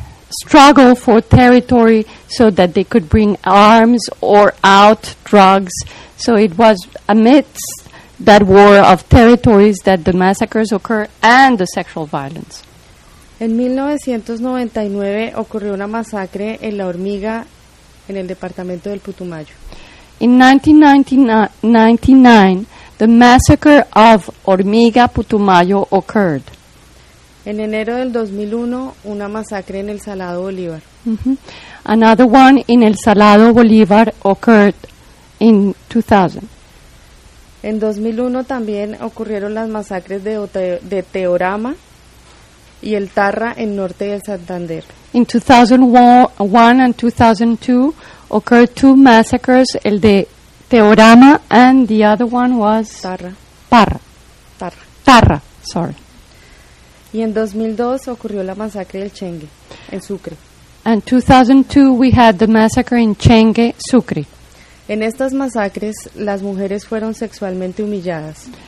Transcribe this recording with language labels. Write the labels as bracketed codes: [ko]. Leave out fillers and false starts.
[en] struggle for territory so that they could bring arms or out drugs. So it was amidst that war of territories that the massacres occur and the sexual violence. [es] En 1999 ocurrió una masacre en La Hormiga, en el departamento del Putumayo. [en] In 1999, the massacre of Hormiga Putumayo occurred. [es] En enero del 2001, una masacre en El Salado Bolívar. [en] Mm-hmm. Another one in El Salado Bolívar occurred in 2000. [es] En 2001 también ocurrieron las masacres de Teorama y El Tarra en Norte de Santander. [en] In 2001 and 2002 occurred two massacres, [es] el de [en] Teorama and the other one was Tarra. Parra. Tarra. Tarra, sorry. [es] Y en 2002 ocurrió la masacre del Chengue, en Sucre. [en] And 2002 we had the massacre in Chengue, Sucre. [es] En estas masacres las mujeres fueron sexualmente humilladas.